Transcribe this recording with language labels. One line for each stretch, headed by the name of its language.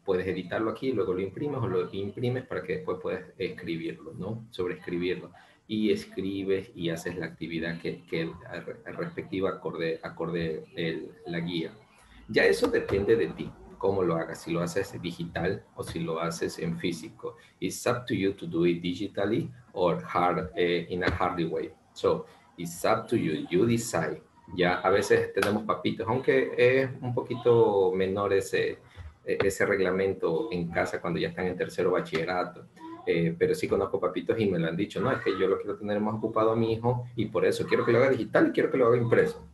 Spanish: Puedes editarlo aquí, luego lo imprimes o lo imprimes para que después puedas escribirlo, ¿no? Sobreescribirlo. Y escribes y haces la actividad que respectiva acorde la guía. Ya eso depende de ti, cómo lo hagas, si lo haces digital o si lo haces en físico.
English: It's up to you to do it digitally or in a hard way. So, it's up to you, you decide.
Spanish: Ya a veces tenemos papitos, aunque es un poquito menor ese reglamento en casa cuando ya están en tercero bachillerato, pero sí conozco papitos y me lo han dicho, no, es que yo lo quiero tener más ocupado a mi hijo y por eso quiero que lo haga digital y quiero que lo haga impreso.